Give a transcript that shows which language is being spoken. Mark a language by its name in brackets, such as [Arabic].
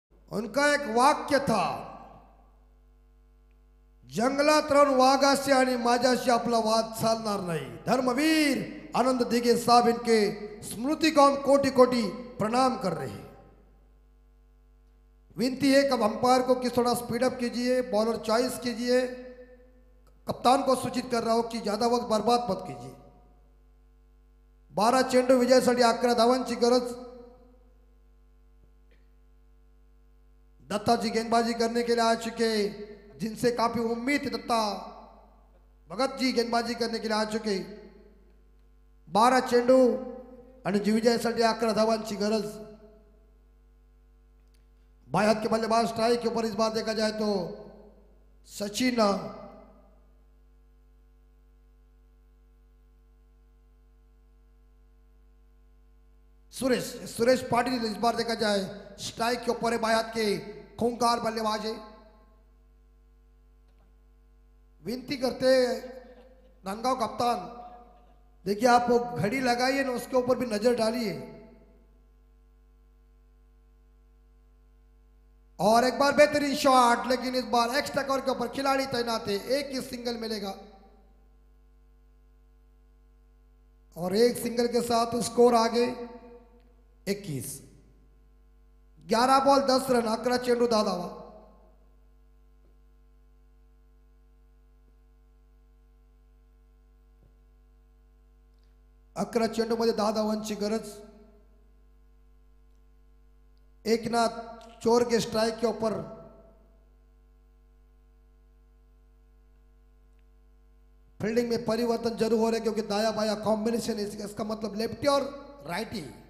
[Hindi] उनका एक वाक्य था, [Marathi] जंगलात राहून वाघाशी आणि माझ्याशी आपला वाद चालणार नाही। [Hindi] धर्मवीर आनंद दिघे साहब इनके स्मृति को हम कोटि कोटि प्रणाम कर रहे हैं। विनती है कब अंपायर को कि थोड़ा स्पीड अप कीजिए, बॉलर चॉइस कीजिए, कप्तान को सूचित कर रहा हूं कि ज्यादा वक्त बर्बाद मत कीजिए। [Marathi] 12 चेंडू विजय साठी 11 धावांची गरज। [Hindi] दत्ता जी गेंदबाजी करने के लिए आ चुके, जिनसे काफी उम्मीद थी। दत्ता भगत जी गेंदबाजी करने के लिए आ चुके। [Marathi] 12 चेंडू आणि जीविजय साठी 11 धावांची गरज। [Hindi] भाई हाथ के बल्लेबाज स्ट्राइक के ऊपर इस बार देखा जाए तो सचिन सुरेश सुरेश पाटिल इस बार देखा जाए स्ट्राइक के ऊपर है। भाई हाथ के खूंखार बल्लेबाज है। विनती करते नांगाव कप्तान, देखिए आप घड़ी लगाइए ना, उसके ऊपर भी नजर डालिए। और एक बार बेहतरीन शॉट, लेकिन इस बार एक्स्ट्रा कवर के ऊपर खिलाड़ी तैनात है। एक ही सिंगल मिलेगा और एक सिंगल के साथ स्कोर आगे 21। [Marathi] 11 बॉल 10 रन 11 चेंडू दादा। अकरा चेंडू मध्ये 10 धावांची गरज। [Hindi] एकनाथ चोर के स्ट्राइक के ऊपर फील्डिंग में परिवर्तन जरूर हो रहे, क्योंकि दाया बाया कॉम्बिनेशन है, इसका मतलब लेफ्टी और राइटी।